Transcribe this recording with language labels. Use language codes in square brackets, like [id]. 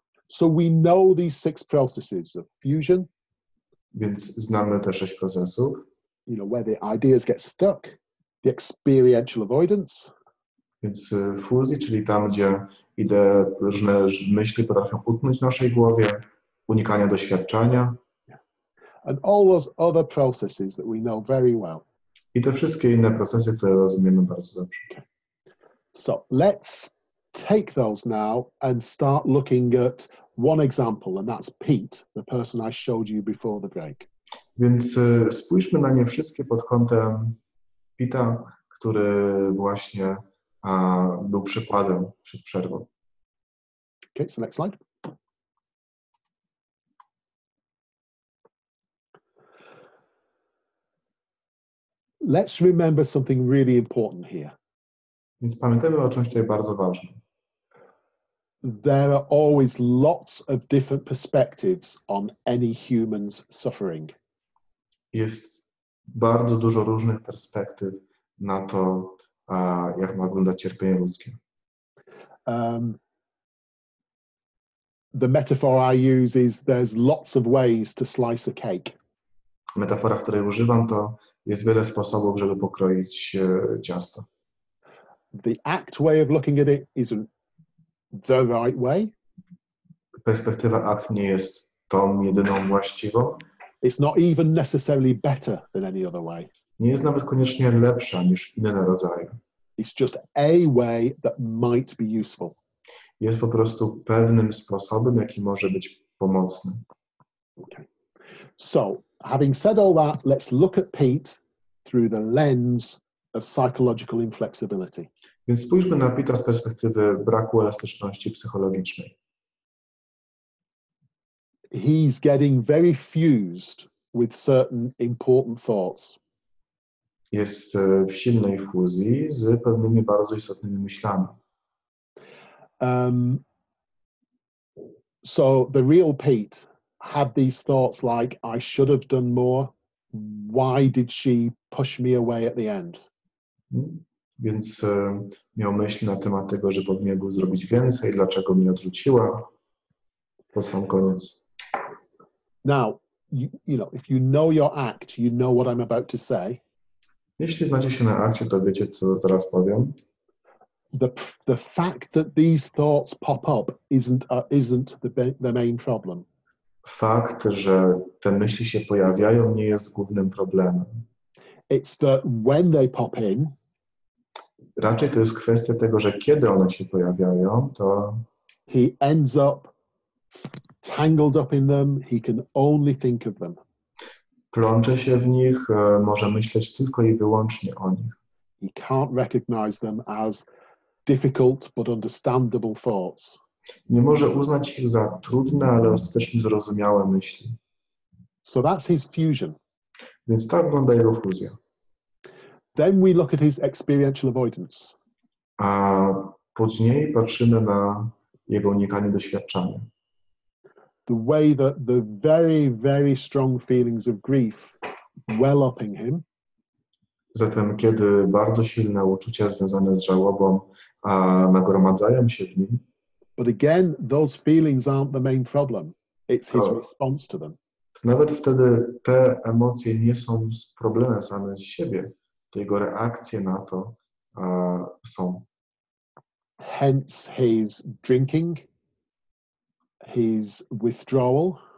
[en] So we know these six processes of fusion. [pl] Więc znamy te sześć procesów. [en] You know, where the ideas get stuck, the experiential avoidance. [pl] Więc fuzji, czyli tam, gdzie idee, różne myśli potrafią utknąć w naszej głowie, unikania doświadczania. [en] And all those other processes that we know very well. [pl] I te wszystkie inne procesy, które rozumiemy bardzo dobrze. [en] Okay. So let's take those now and start looking at one example, and that's Pete, the person I showed you before the break. [pl] Więc spójrzmy na nie wszystkie pod kątem Pita, który właśnie był przykładem przed przerwą. [en] Okay, so next slide. Let's remember something really important here. [pl] Więc pamiętajmy o czymś tutaj bardzo ważnym. [en] There are always lots of different perspectives on any human's suffering. [pl] Jest bardzo dużo różnych perspektyw na to, jak ma wyglądać cierpienie ludzkie. [en] The metaphor I use is there's lots of ways to slice a cake. [pl] Metafora, której używam, to jest wiele sposobów, żeby pokroić ciasto. [en] The ACT way of looking at it isn't the right way. [pl] Perspektywa ACT nie jest tą jedyną właściwą. [en] It's not even necessarily better than any other way. [pl] Nie jest nawet koniecznie lepsza niż inne rodzaje. [en] It's just a way that might be useful. [pl] Jest po prostu pewnym sposobem, jaki może być pomocny. [en] Okay. So, having said all that, let's look at Pete through the lens of psychological inflexibility. [pl] Więc spójrzmy na Pita z perspektywy braku elastyczności psychologicznej. [en] He's getting very fused with certain important thoughts. [pl] Jest w silnej fuzji z pewnymi bardzo istotnymi myślami. [en] So the real Pete had these thoughts like, I should have done more. Why did she push me away at the end? [pl] Więc miał myśli na temat tego, że powinien był zrobić więcej, dlaczego mnie odrzuciła. To sam koniec. [en] Now, you know, if you know your act, you know what I'm about to say. [pl] Jeśli znacie się na akcie, to wiecie, co zaraz powiem. [en] The fact that these thoughts pop up isn't the main problem. [pl] Fakt, że te myśli się pojawiają, nie jest głównym problemem. [en] It's that when they pop in. [pl] Raczej to jest kwestia tego, że kiedy one się pojawiają, to [en] he ends up tangled up in them. He can only think of them. [pl] Plącze się w nich, może myśleć tylko i wyłącznie o nich. [en] He can't recognize them as difficult but understandable thoughts. [pl] Nie może uznać ich za trudne, ale ostatecznie zrozumiałe myśli. [en] So that's his fusion. [pl] Więc tak wygląda jego fuzja. [en] Then we look at his experiential avoidance. [pl] A później patrzymy na jego unikanie doświadczania. [en] The way that the very, very strong feelings of grief well up in him. [pl] Zatem kiedy bardzo silne uczucia związane z żałobą nagromadzają się w nim. [en] But again, those feelings aren't the main problem. It's his response to them. [pl] Nawet wtedy te emocje nie są problemem same z siebie. To jego reakcje na to są. [en] Hence his drinking, his withdrawal.